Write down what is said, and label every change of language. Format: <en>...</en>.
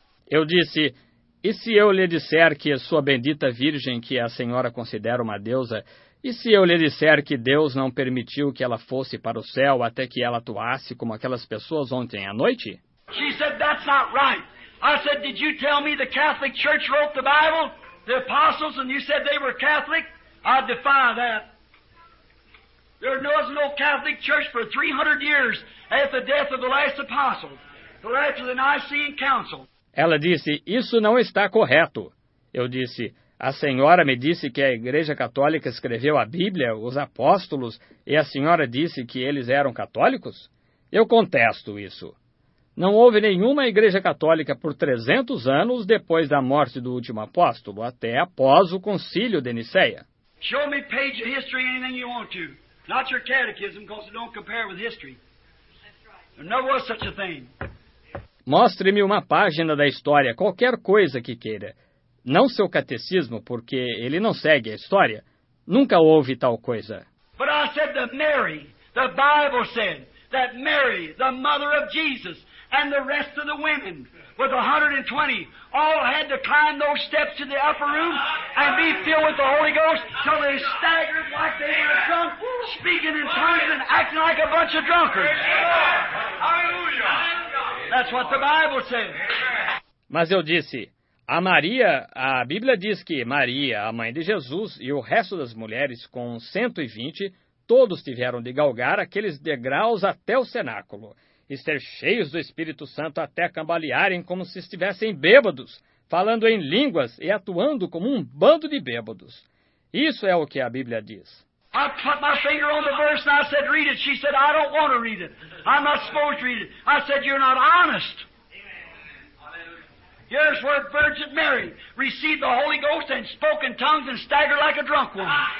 <pt>Eu disse, e se eu lhe disser que a sua bendita virgem, que a senhora considera uma deusa, e se eu lhe disser que Deus não permitiu que ela fosse para o céu até que ela atuasse como aquelas pessoas ontem à noite?</pt> <en>She said, that's not right. I said, did you tell me the Catholic Church wrote the Bible, the apostles, and you said they were Catholic? I defy that. There was no Catholic Church for 300 years after the death of the last apostle, the last of the Nicene Council.</en> <pt>Ela disse, isso não está correto. Eu disse, a senhora me disse que a Igreja Católica escreveu a Bíblia, os apóstolos, e a senhora disse que eles eram católicos? Eu contesto isso. Não houve nenhuma Igreja Católica por 300 anos depois da morte do último apóstolo, até após o Concílio de Niceia.</pt> <en>Show me page of history anything you want to. Not your catechism, because it don't compare with history. There never was such a thing.</en> <pt>Mostre-me uma página da história, qualquer coisa que queira. Não seu catecismo, porque ele não segue a história. Nunca houve tal coisa.</pt> <en>But I said that Mary, the Bible said that Mary, the mother of Jesus, and the rest of the women, with 120, all had to climb those steps to the upper room and be filled with the Holy Ghost till they staggered like they were drunk, speaking in tongues and acting like a bunch of drunkards. Hallelujah! That's what the Bible says.</en> <pt>Mas eu disse, a Maria, a Bíblia diz que Maria, a mãe de Jesus, e o resto das mulheres com 120, todos tiveram de galgar aqueles degraus até o cenáculo, e ser cheios do Espírito Santo até cambalearem como se estivessem bêbados, falando em línguas e atuando como um bando de bêbados. Isso é o que a Bíblia diz.</pt> <en>I put my finger on the verse and I said, read it. She said, I don't want to read it. I'm not supposed to read it. I said, you're not honest. Yours were Virgin Mary, received the Holy Ghost and spoke in tongues and staggered like a drunk woman.</en>